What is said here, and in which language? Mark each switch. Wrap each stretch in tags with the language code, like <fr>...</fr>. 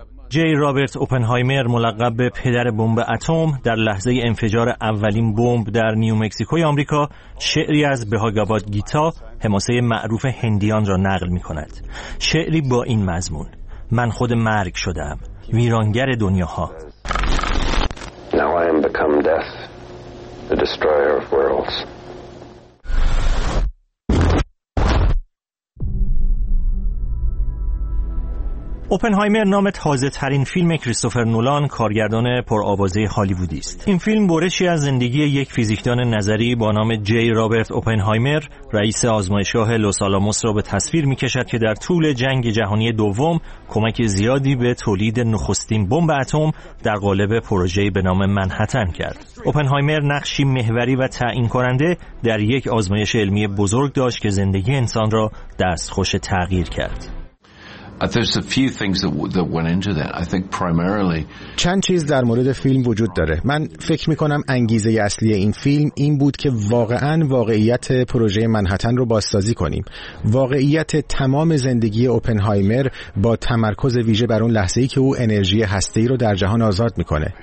<fa>جی رابرت اوپنهایمر ملقب به پدر بمب اتم در لحظه انفجار اولین بمب در نیومکزیکوی آمریکا شعری از بهاگواد گیتا حماسه معروف هندیان را نقل می کند. شعری با این مضمون: من خود مرگ شدم، ویرانگر دنیاها.</fa> <en>Now I am become death, the destroyer of worlds.</en> <fa>اوپنهایمر نام تازه ترین فیلم کریستوفر نولان، کارگردان پرآوازه هالیوودی است. این فیلم برشی از زندگی یک فیزیکدان نظری با نام جی رابرت اوپنهایمر، رئیس آزمایشگاه لس آلاموس را به تصویر می کشد که در طول جنگ جهانی دوم کمک زیادی به تولید نخستین بمب اتم در قالب پروژه‌ای به نام منهتن کرد. اوپنهایمر نقشی محوری و تعیین کننده در یک آزمایش علمی بزرگ داشت که زندگی انسان را دستخوش تغییر کرد.</fa> <en>There's a few things that went into that. I think primarily.</en> <fa>چند چیز در مورد فیلم وجود داره. من فکر می‌کنم انگیزه اصلی این فیلم این بود که واقعاً واقعیت پروژه منهتن رو بازسازی کنیم. واقعیت تمام زندگی اوپنهایمر با تمرکز ویژه بر اون لحظه‌ای که او انرژی هسته‌ای رو در جهان آزاد می‌کنه.</fa>